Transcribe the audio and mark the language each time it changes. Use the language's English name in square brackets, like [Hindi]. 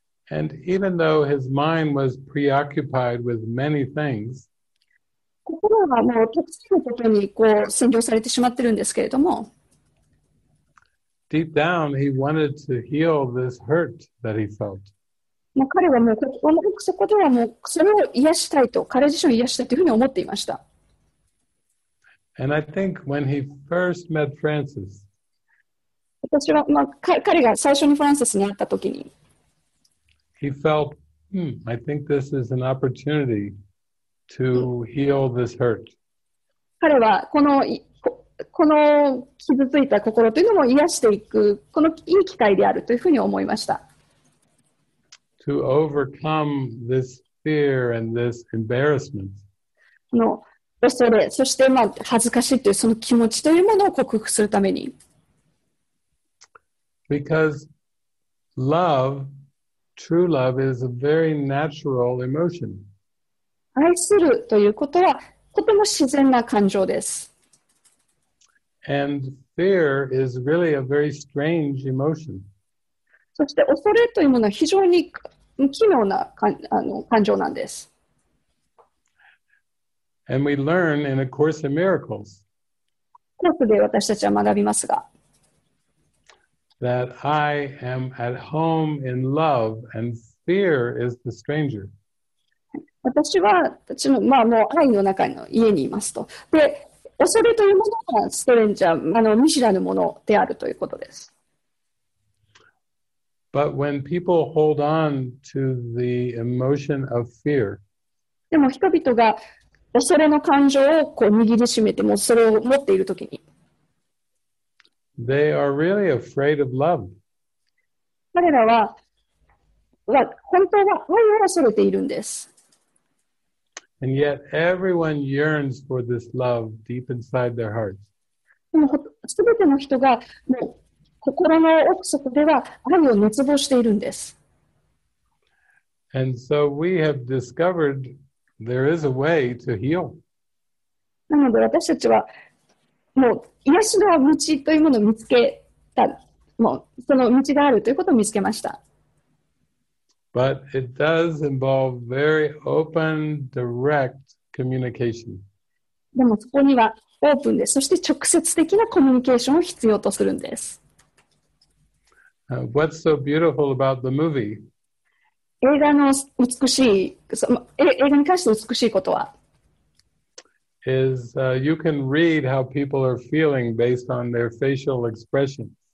[English] And even though his mind was preoccupied with many things, [Japanese] 心はもうたくさんのことにこう占領されてしまってるんですけれども、 [English] Deep down, he wanted to heal this hurt that he felt. [Japanese] もう彼はもうそこではもうそれを癒したいと彼自身を癒したいというふうに思っていました。 [English] And I think when he first met Francis, [Japanese] 私は、まあ、彼が最初にフランシスに会ったときに、 [English] he felt, I think this is an opportunity to heal this hurt. [Japanese] 彼はこの傷ついた心というのも癒していく、このいい機会であるというふうに思いました。 [English] To overcome this fear and this embarrassment. [Japanese] この恐れ、そして、まあ、恥ずかしいというその気持ちというものを克服するために。 [English] Because love, true love, is a very natural emotion. [Japanese] 愛するということはとても自然な感情です。 [English] And fear is really a very strange emotion. [Japanese] そして恐れというものは非常に奇妙な感情なんです。 [English] And we learn in A Course in Miracles. [Japanese] コースで私たちは学びますが。 [English] That I am at home in love and fear is the stranger. [Japanese] 私は、まあ、もう愛の中の家にいますと。で、恐れというものがストレンジャー、見知らぬものであるということです。 [English] But when people hold on to the emotion of fear, [Japanese] でも人々が恐れの感情をこう握りしめて、もうそれを持っているときに、 [English] They are really afraid of love. [Japanese] 彼らは本当は愛を恐れているんです。 [English] And yet everyone yearns for this love deep inside their hearts. [Japanese] でも全ての人がもう心の奥底では愛を熱望しているんです。 [English] And so we have discovered there is a way to heal. [Japanese] なので私たちはもう癒しの道というものを見つけた、もうその道があるということを見つけました。 [English] But it does involve very open, direct communication. [Japanese] でもそこにはオープンで、そして直接的なコミュニケーションを必要とするんです。 [English] What's so beautiful about the movie? [Japanese] 映画の美しい、映画に関して美しいことは、 [English] is you can read how people are feeling based on their facial expression.